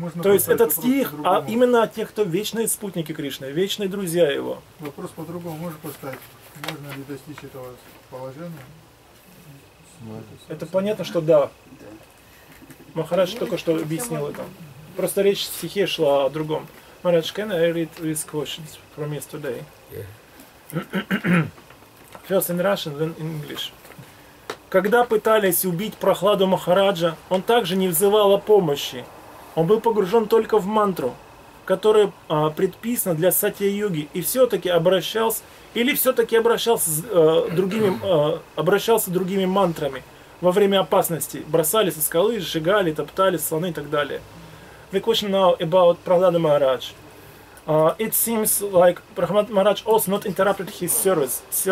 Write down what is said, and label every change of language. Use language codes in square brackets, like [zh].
[ru] То есть этот стих именно о тех, кто вечные спутники Кришны, вечные друзья его. Вопрос по-другому можно поставить. Можно ли достичь этого положения? Это понятно, что да. Махарадж только что объяснил это. Просто речь в стихе шла о другом. [en] Махарадж, can I read these questions from yesterday? First in Russian, then in English. [ru] Когда пытались убить Прохладу Махараджа, он также не взывал о помощи. Он был погружен только в мантру, которая предписана для сатья-йоги, и все-таки обращался, или все-таки обращался с другими, обращался другими мантрами во время опасности. Бросали со скалы, сжигали, топтали слоны и так далее. [en] The question now about Prahlada Maharaj. It seems like Prahlada Maharaj also not interrupted his service.